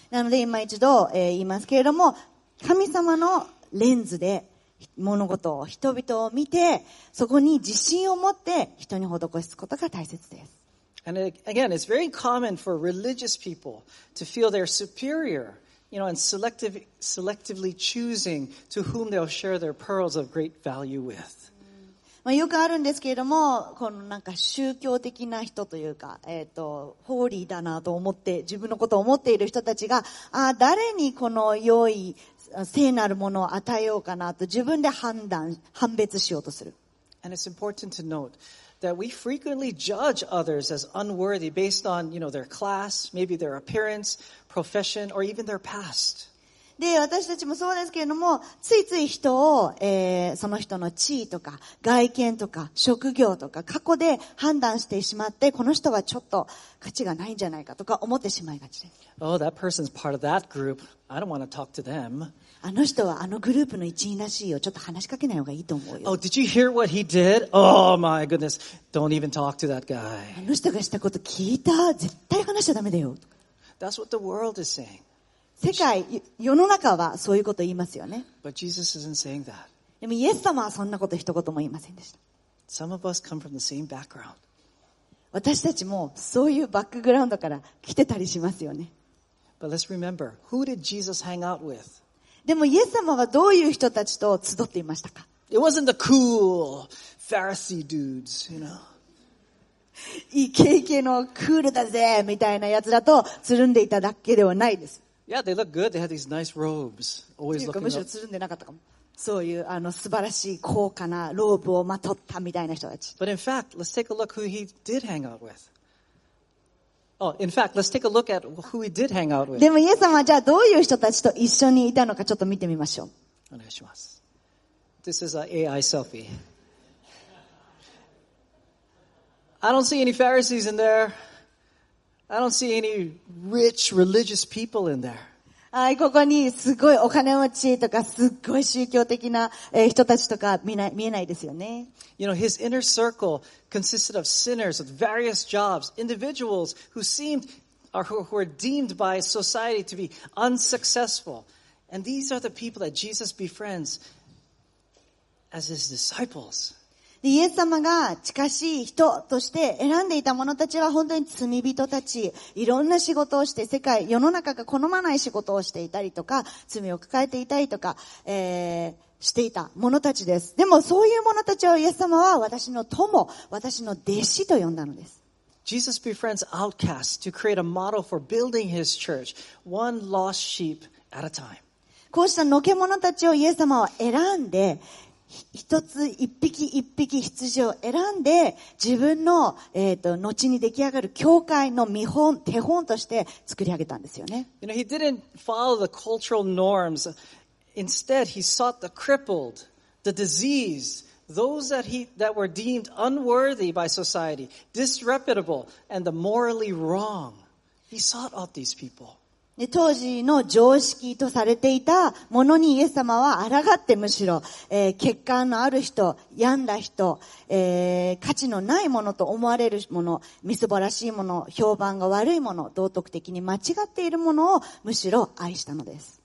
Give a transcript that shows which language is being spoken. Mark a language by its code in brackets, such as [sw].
[ja] なので、今一度、言いますけれども、神様のレンズで物事を、人々を見て、そこに自信を持って人に施すことが大切です。 [en] And again, it's very common for religious people to feel they're superior, you know, and selectively choosing to whom they'll share their pearls of great value with. [ja] まあ、よくあるんですけれども、このなんか宗教的な人というか、ホーリーだなと思って、自分のことを思っている人たちが、ああ、誰にこの良い、聖なるものを与えようかなと自分で判別しようとする。 [en] And it's important to note that we frequently judge others as unworthy based on, you know, their class, maybe their appearance, profession, or even their past. [ja] で、私たちもそうですけれども、ついつい人を、その人の地位とか、外見とか、職業とか、過去で判断してしまって、この人はちょっと価値がないんじゃないかとか思ってしまいがちです。 [en] Oh, that person's part of that group. I don't want to talk to them. [ja] あの人はあのグループの一員らしいよ。ちょっと話しかけない方がいいと思うよ。 [en] Oh, did you hear what he did? Oh, my goodness. Don't even talk to that guy. [ja] あの人がしたこと聞いた。絶対話しちゃダメだよ。 [en] That's what the world is saying. [ja] 世界、世の中はそういうことを言いますよね。 [en] But Jesus isn't saying that. [ja] でもイエス様はそんなこと一言も言いませんでした。 [en] Some of us come from the same background. [ja] 私たちもそういうバックグラウンドから来てたりしますよね。 [en] But let's remember, who did Jesus hang out with? [ja] でもイエス様はどういう人たちと集っていましたか? [en] It wasn't the cool Pharisee dudes, you know. [ja] イケイケのクールだぜみたいなやつらとつるんでいただけではないです。 [en] Yeah, they look good. They have these nice robes. Always looking good. [ja] むしろつるんでなかったかも。そういう、素晴らしい高価なローブをまとったみたいな人たち。 [en] But in fact, let's take a look who he did hang out with. Oh, in fact, let's take a look at who he did hang out with. [ja] でもイエス様じゃあどういう人たちと一緒にいたのかちょっと見てみましょう。お願いします。 [en] This is an AI selfie. I don't see any Pharisees in there. I don't see any rich religious people in there. [ja] Ah, ここにすごいお金持ちとかすごい宗教的な人たちとか見えないですよね。 [en] You know, his inner circle consisted of sinners with various jobs, individuals who seemed or who were deemed by society to be unsuccessful. And these are the people that Jesus befriends as his disciples. [ja] イエス様が近しい人として選んでいた者たちは本当に罪人たち、いろんな仕事をして世界、世の中が好まない仕事をしていたりとか、罪を抱えていたりとか、していた者たちです。でもそういう者たちをイエス様は私の友、私の弟子と呼んだのです。 [en] Jesus befriends outcasts to create a model for building his church, one lost sheep at a time. [ja] こうしたのけ者たちをイエス様は選んで、一つ一匹一匹羊を選んで自分の、後に出来上がる教会の見本手本として作り上げたんですよね。 [en] You know, he didn't follow the cultural norms. Instead, he sought the crippled, the diseased, those that were deemed unworthy by society, disreputable, and the morally wrong. He sought out these people. [ja] 当時の常識とされていたものにイエス様は抗ってむしろ、欠陥のある人、病んだ人、価値のないものと思われるもの、みすぼらしいもの、評判が悪いもの、道徳的に間違っているものをむしろ愛したのです。